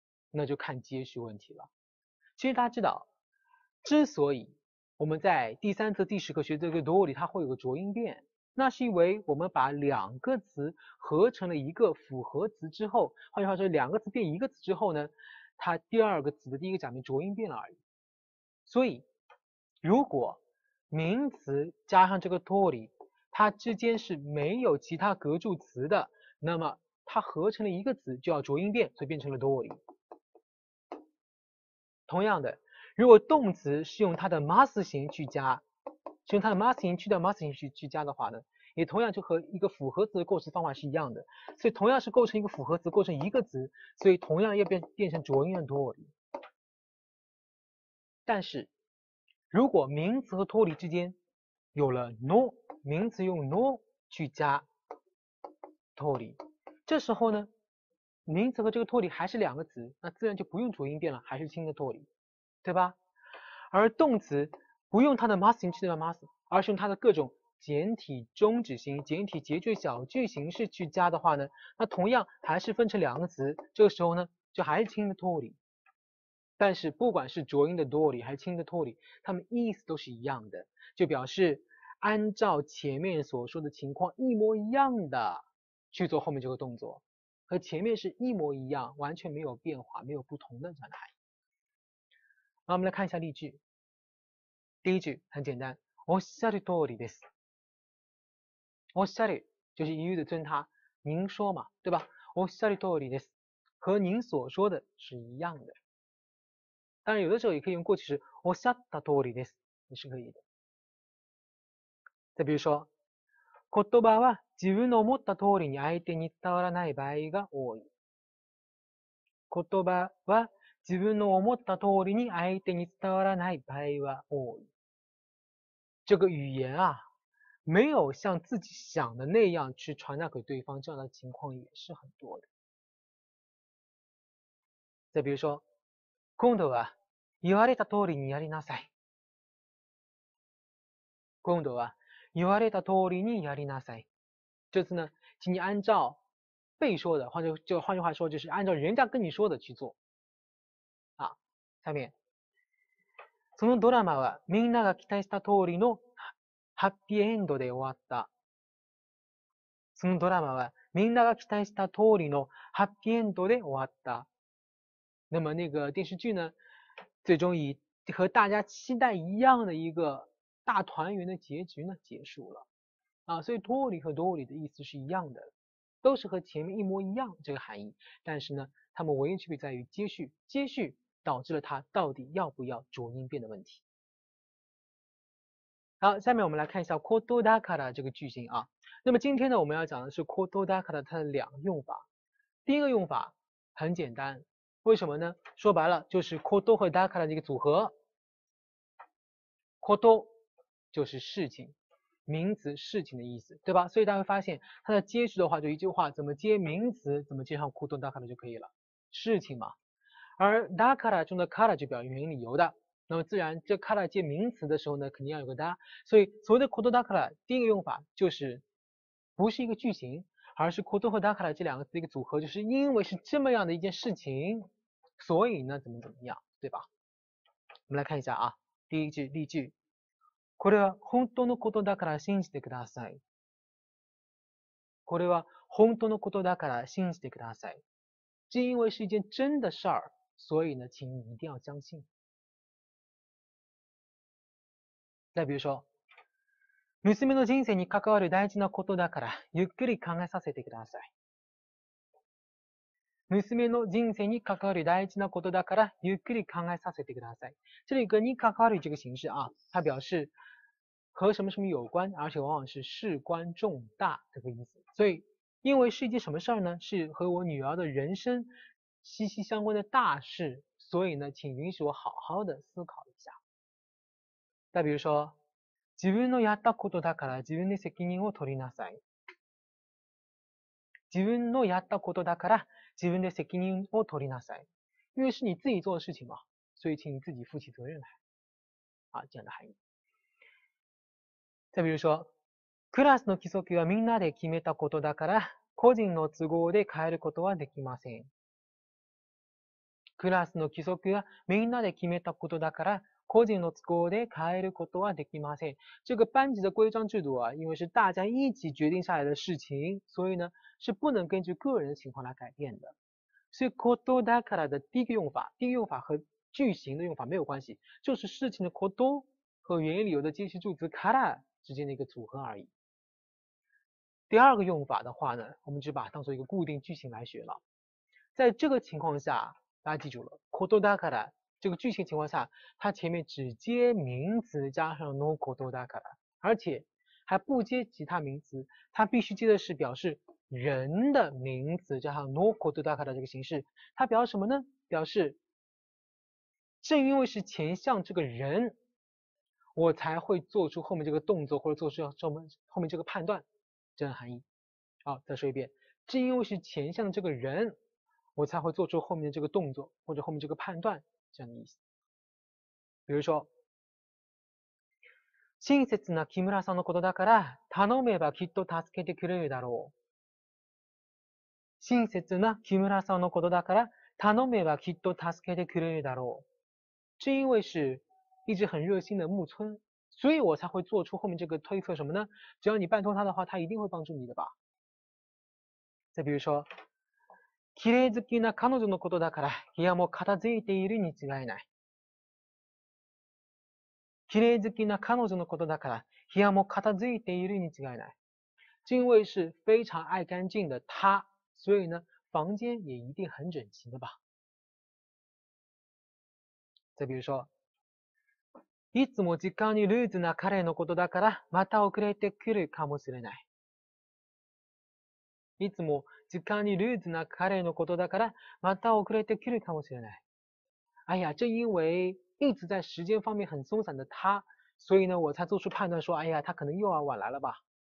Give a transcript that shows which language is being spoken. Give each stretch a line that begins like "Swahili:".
Chinese: 那就看接续问题了。其实大家知道，之所以我们在第三册第十课学这个通り，它会有个浊音变，那是因为我们把两个词合成了一个复合词之后，换句话说，两个词变一个词之后呢，它第二个词的第一个假名浊音变了而已。所以如果名词加上这个通り，它之间是没有其他隔住词的，那么它合成了一个词就要浊音变，所以变成了通り。同样的，如果动词是用它的 mas 形去加，是用它的 mas 形去掉 mas 形去加的话呢，也同样就和一个复合词的构成方法是一样的，所以同样是构成一个复合词，构成一个词，所以同样要变成浊音的通り。但是如果名词和通り之间有了 no， 名词用 no 去加通り，这时候呢，名词和这个通り还是两个词，那自然就不用浊音变了，还是轻的通り，对吧？而动词不用它的 mas 形去掉 mas， 而是用它的各种简体终止形、简体结句、小句形式去加的话呢，那同样还是分成两个词，这个时候呢，就还是轻的通り。但是不管是浊音的通り还是轻的通り，它们意思都是一样的，就表示按照前面所说的情况一模一样的去做后面这个动作，和前面是一模一样，完全没有变化，没有不同的状态。那我们来看一下例句。第一句很简单，
Japanese: おっしゃる通りです。
Chinese: おっしゃる就是一遇的尊他，您说嘛，对吧？
Japanese: おっしゃる通りです，
Chinese: 和您所说的是一样的。当然有的时候也可以用过去式，
Japanese: おっしゃった通りです，
Chinese: 也是可以的。再比如说，
Japanese: 言葉は自分の思った通りに相手に伝わらない場合が多い。言葉は自分の思った通りに相手に伝わらない場合は多い。
Chinese: 这个语言啊，没有像自己想的那样去传达给对方，这样的情况也是很多的。再比如说，
Japanese: 今度は言われた通りにやりなさい。今度は言われた通りにやりなさい。
Chinese: 这次呢，请你按照被说的，换句话说，就是按照人家跟你说的去做。啊，下面，
Japanese: そのドラマはみんなが期待した通りのハッピーエンドで終わった。そのドラマはみんなが期待した通りのハッピーエンドで終わった。
Chinese: 那么那个电视剧呢，最终以和大家期待一样的一个大团圆的结局呢结束了。啊，所以通り和通り的意思是一样的，都是和前面一模一样这个含义，但是呢，它们唯一区别在于接续，接续导致了它到底要不要浊音变的问题。好，下面我们来看一下ことだから这个句型啊。那么今天呢，我们要讲的是ことだから它的两个用法。第一个用法很简单，为什么呢？说白了就是ことをだから的一个组合。こと就是事情，名词事情的意思，对吧？所以大家会发现它的接续的话，就一句话怎么接名词，怎么接上ことだから就可以了，事情嘛。而だから中的から就表明理由的，那么自然这から接名词的时候呢，肯定要有个だ。所以所谓的ことだから第一个用法就是不是一个句型，而是ことをだから这两个字一个组合，就是因为是这么样的一件事情，所以呢怎么怎么样，对吧？我们来看一下啊，第一句例句。
Japanese: これは本当のことだから信じてください。これは本当のことだから信じてください。
Chinese: 是因为是一件真的事儿，所以呢请你一定要相信。再比如说，
Japanese: 娘の人生に関わる大事なことだからゆっくり考えさせてください。娘の人生に関わる大事なことだからゆっくり考えさせてください。
Chinese: 这里跟你関わる这个形式啊，它表示和什么什么有关，而且往往是事关重大这个意思。所以因为是一件什么事儿呢，是和我女儿的人生息息相关的大事，所以呢请允许我好好的思考一下。再比如说，
Japanese: 自分のやったことだから自分で責任を取りなさい。自分のやったことだから自分で責任を取りなさい。
Chinese: 因为是你自己做的事情嘛，所以请你自己负起责任来。啊，这样的含义。再比如说，
Japanese: クラスの規則はみんなで決めたことだから個人の都合で変えることはできません。クラスの規則はみんなで決めたことだから個人の都合で変えることはできません。
Chinese: 这个班级的规章制度啊，因为是大家一起决定下来的事情，所以呢是不能根据个人的情况来改变的。所以ことだから的第一个用法，第一个用法和句型的用法没有关系，就是事情的こと和原因理由的接续助词から之间的一个组合而已。第二个用法的话呢，我们就把它当作一个固定句型来学了。在这个情况下，大家记住了，ことだから这个句型情况下，它前面只接名词加上のことだから，而且还不接其他名词，它必须接的是表示人的名词加上のことだから这个形式。它表示什么呢？表示正因为是前向这个人，我才会做出后面这个动作，或者做出后面这个判断，这样的含义。好，再说一遍，正因为是前向的这个人，我才会做出后面的这个动作，或者后面这个判断，这样的意思。比如说，
Japanese: 親切な木村さんのことだから、頼めばきっと助けてくれるだろう。親切な木村さんのことだから、頼めばきっと助けてくれるだろう。
Chinese: 正因为是一直很热心的木村，所以我才会做出后面这个推测什么呢？只要你拜托他的话，他一定会帮助你的吧。再比如说，
Japanese: 綺麗好きな彼女のことだから部屋も片付いているに違いない。綺麗好きな彼女のことだから部屋も片付いているに違いない。
Chinese: 因为是非常爱干净的他，所以呢房间也一定很整齐的吧。再比如说，
Japanese: いつも時間にルーズな彼のことだからまた遅れてくるかもしれない。いつも時間にルーズな彼のことだからまた遅れてくるかもしれない。
Chinese: 哎呀，正因为一直在时间方面很松散的他，所以呢我才做出判断说，哎呀他可能又要晚来了吧。